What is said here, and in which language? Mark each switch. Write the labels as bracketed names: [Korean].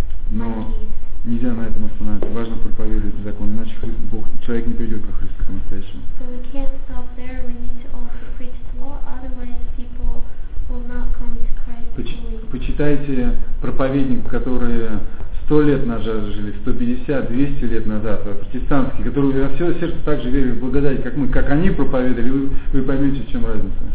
[Russian] Но нельзя на этом останавливаться. Важно проповедовать закон, иначе Бог, человек не придет ко Христу по-настоящему. [English] So we can't stop there. We need to also preach the law, otherwise people will not come to Christ. [Russian] Почитайте проповедников, которые 100 лет назад жили, 150, 200 лет назад, протестантские, которые во все сердце так же верили в благодать, как мы, как они проповедовали, вы поймете, в чем разница.